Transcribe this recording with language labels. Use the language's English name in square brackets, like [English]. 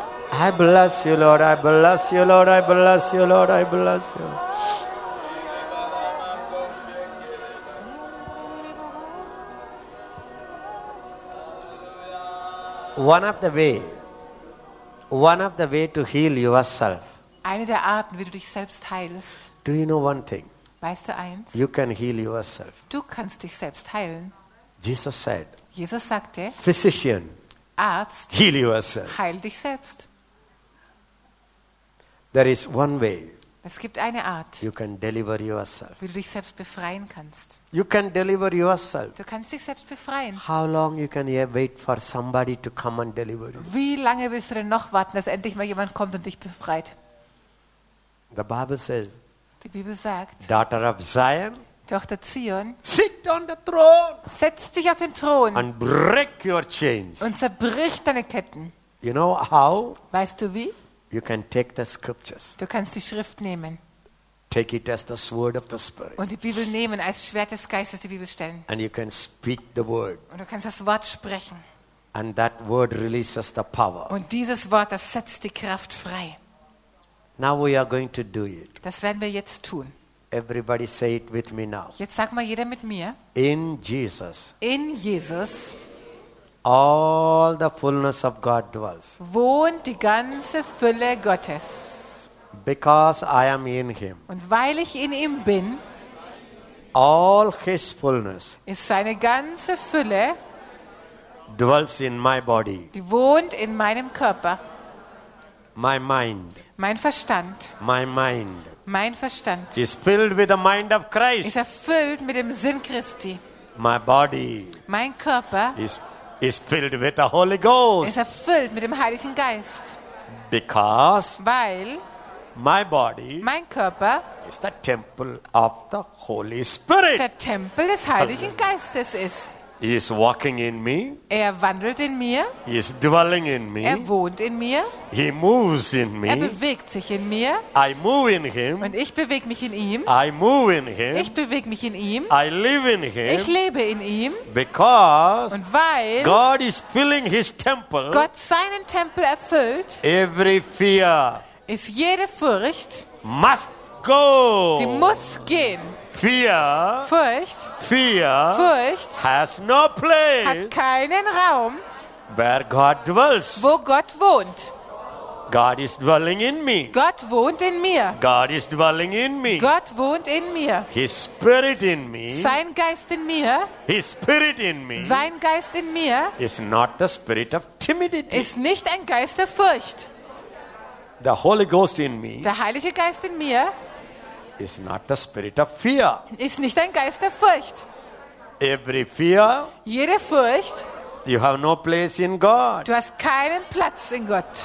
[English] One of the way to heal yourself. [German] Eine der Arten, wie du dich selbst heilst. [English] Do you know one thing? [German] Weißt du eins? [English] You can heal yourself. [German] Du kannst dich selbst heilen. [English] Jesus said. [German] Jesus sagte. [English] Physician. [German] Arzt. [English] Heal yourself. [German] Heil dich selbst. [English] There is one way. [German] Es gibt eine Art. [English] You can deliver yourself. [German] Wie du dich selbst befreien kannst. [English] You can deliver yourself. [German] Du kannst dich selbst befreien. [English] How long you can wait for somebody to come and deliver you? [German] Wie lange willst du denn noch warten, dass endlich mal jemand kommt und dich befreit? [English] The Bible says. [German] Die Bibel sagt. [English] Daughter of Zion. [German] Tochter Zion. [English] Sit on the throne. [German] Setz dich auf den Thron. [English] And break your chains. [German] Und zerbrich deine Ketten. [English] You know how? [German] Weißt du wie? [English] You can take the scriptures. [German] Du kannst die Schrift nehmen. [English] Take it as the sword of the Spirit. [German] Und die Bibel nehmen als Schwert des Geistes die Bibel stellen. [English] And you can speak the word. [German] Und du kannst das Wort sprechen. [English] And that word releases the power. [German] Und dieses Wort, das setzt die Kraft frei. [English] Now we are going to do it. [German] Das werden wir jetzt tun. [English] Everybody say it with me now. [German] Jetzt sag mal jeder mit mir. [English] In Jesus. [German] In Jesus. [English] All the fullness of God dwells. [German] Wohnt die ganze Fülle Gottes. [English] Because I am in him. [German] Und weil ich in ihm bin. [English] All his fullness. [German] Ist seine ganze Fülle. [English] Dwells in my body. [German] Die wohnt in meinem Körper. [English] My mind. [German] Mein Verstand. [English] My mind. [German] Mein Verstand. [English] Is filled with the mind of Christ. [German] Ist erfüllt mit dem Sinn Christi. [English] My body. [German] Mein Körper. [English] Is filled with the Holy Ghost. [German] Ist erfüllt mit dem Heiligen Geist. [English] Because [German] weil [English] my body [German] mein Körper [English] is the temple of the Holy Spirit. [German] Der Tempel des Heiligen Geistes ist. [English] He is walking in me. [German] Er wandelt in mir. [English] He is dwelling in me. [German] Er wohnt in mir. [English] He moves in me. [German] Er bewegt sich in mir. [English] I move in him. [German] Und ich bewege mich in ihm. [English] I move in him. [German] Ich bewege mich in ihm. [English] I live in him. [German] Ich lebe in ihm. [English] Because [German] und weil [English] God is filling his temple. [German] Gott seinen Tempel erfüllt. [English] Every fear [German] ist jede Furcht [English] must go. [German] Die muss gehen. [English] Fear, Furcht, has no place. [German] Hat keinen Raum. [English] Where God dwells. [German] Wo Gott wohnt. [English] God is dwelling in me. [German] Gott wohnt in mir. [English] God is dwelling in me. [German] Gott wohnt in mir. [English] His spirit in me. [German] Sein Geist in mir. [English] His spirit in me. [German] Sein Geist in mir. [English] Is not the spirit of timidity. [German] Ist nicht ein Geist der Furcht. [English] The Holy Ghost in me. [German] Der Heilige Geist in mir. [English] Is not the spirit of fear. [German] Ist nicht ein Geist der Furcht. [English] Every fear. [German] Jede Furcht. [English] You have no place in God. [German] Du hast keinen Platz in Gott.